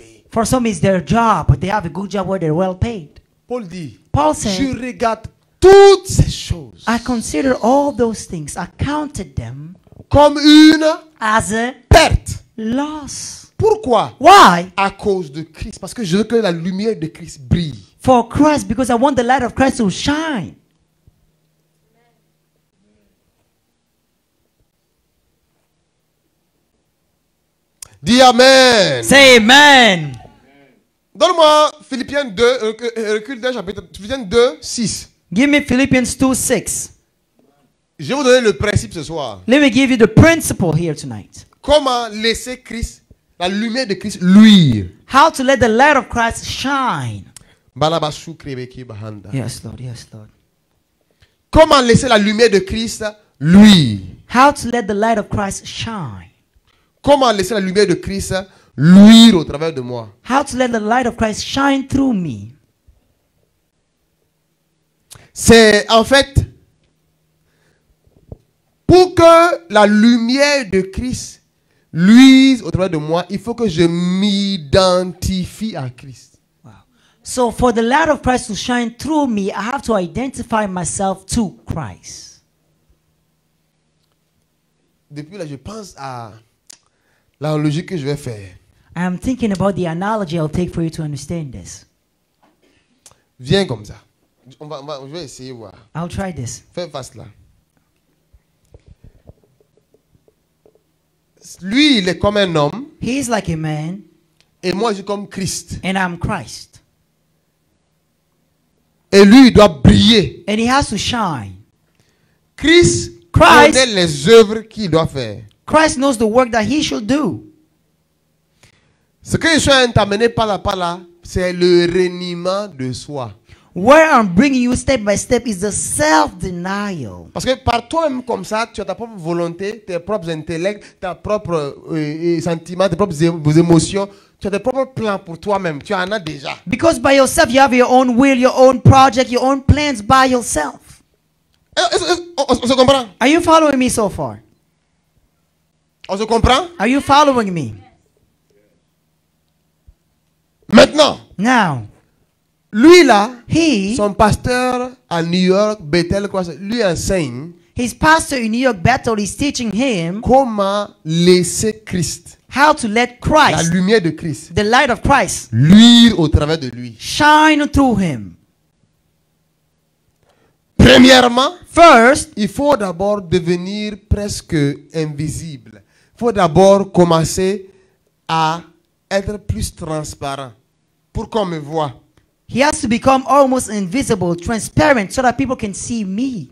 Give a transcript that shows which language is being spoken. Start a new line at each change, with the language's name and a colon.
English: For some, it's their job, but they have a good job where they're well paid.
French: Paul dit,
English: Paul said,
French: je regarde toutes ces choses.
English: I consider all those things, I counted them
French: comme une
English: as a
French: perte.
English: Loss.
French: Pourquoi?
English: Why?
French: À cause de Christ, parce que je veux que la lumière de Christ brille.
English: For Christ, because I want the light of Christ to shine.
French: Dis amen.
English: Say amen. Amen.
French: Donne-moi Philippiens 2, recule d'un chapitre, Philippiens 2, 6.
English: Give me Philippians 2, 6.
French: Je vais vous donner le principe ce soir.
English: Let me give you the principle here tonight.
French: Comment laisser Christ, la lumière de Christ, luire.
English: How to let the light of Christ shine. Yes, Lord, yes, Lord.
French: Comment laisser la lumière de Christ luire.
English: How to let the light of Christ shine.
French: Comment laisser la lumière de Christ luire au travers de moi?
English: How to let the light of Christ shine through me?
French: C'est en fait pour que la lumière de Christ luise au travers de moi, il faut que je m'identifie à Christ.
English: Wow. So for the light of Christ to shine through me, I have to identify myself to Christ.
French: Depuis là, je pense à l'analogie que je vais faire.
English: I am thinking about the analogy I'll take for you to understand this.
French: Viens comme ça. Je vais essayer voir.
English: I'll try this.
French: Fais face là. Lui, il est comme un homme.
English: He is like a man.
French: Et moi, je suis comme Christ.
English: And I'm Christ.
French: Et lui, il doit briller.
English: And he has to shine.
French: Christ connaît les œuvres qu'il doit faire.
English: Christ knows the work that he should do.
French: Ce que je suis en t'amener par là, c'est le reniement de soi.
English: Where I'm bringing you step by step is the self-denial.
French: Parce que par toi-même comme ça, tu as ta propre volonté, tes propres intellects, ta propre sentiments, tes propres émotions. Tu as tes propres plans pour toi-même. Tu en as déjà.
English: Because by yourself, you have your own will, your own project, your own plans by yourself.
French: On se comprend?
English: Are you following me so far?
French: On se comprend?
English: Are you following me?
French: Maintenant.
English: Now.
French: Lui là.
English: He.
French: Son pasteur à New York, Bethel, quoi, lui enseigne.
English: His pastor in New York, Bethel, is teaching him.
French: Comment laisser Christ.
English: How to let Christ.
French: La lumière de Christ.
English: The light of Christ.
French: Luire au travers de lui.
English: Shine through him.
French: Premièrement.
English: First.
French: Il faut d'abord devenir presque invisible. Il faut d'abord commencer à être plus transparent pour qu'on me voie.
English: He has to become almost invisible, transparent, so that people can see me.